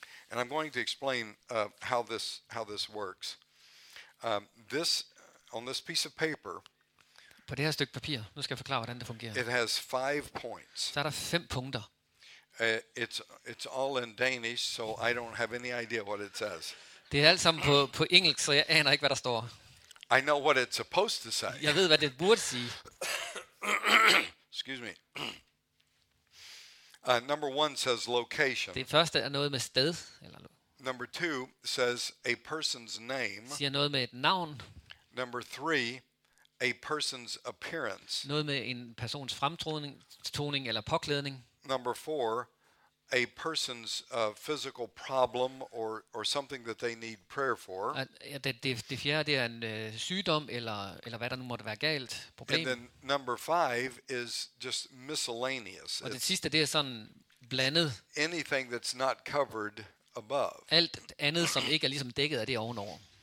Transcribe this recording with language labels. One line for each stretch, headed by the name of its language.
English: And I'm going to explain how this works. This on this piece of paper.
Danish: På det her stykke papir. Nu skal jeg forklare hvordan det fungerer.
English: It has 5 points.
Danish: Så er der 5 punkter.
English: It's all in Danish, so I don't have any idea what it says.
Danish: Det er alt sammen på engelsk, så jeg aner ikke hvad der står.
English: I know what it's supposed to say.
Danish: Jeg ved hvad det burde sige.
English: Excuse me. Number one says location.
Danish: Det første er noget med sted eller.
English: Number two says a person's name.
Danish: Siger noget med et navn.
English: Number three, a person's appearance.
Danish: Noget med en persons fremtoning eller påklædning.
English: Number four, a person's physical problem or something that they need prayer for.
Danish: Det fjerde det er en sygdom eller hvad der nu måtte være galt, problem.
English: And then number 5 is just miscellaneous.
Danish: Og det sidste det er sådan blandet.
English: Anything that's not covered above.
Danish: Alt andet som ikke er ligesom dækket af det ovenover.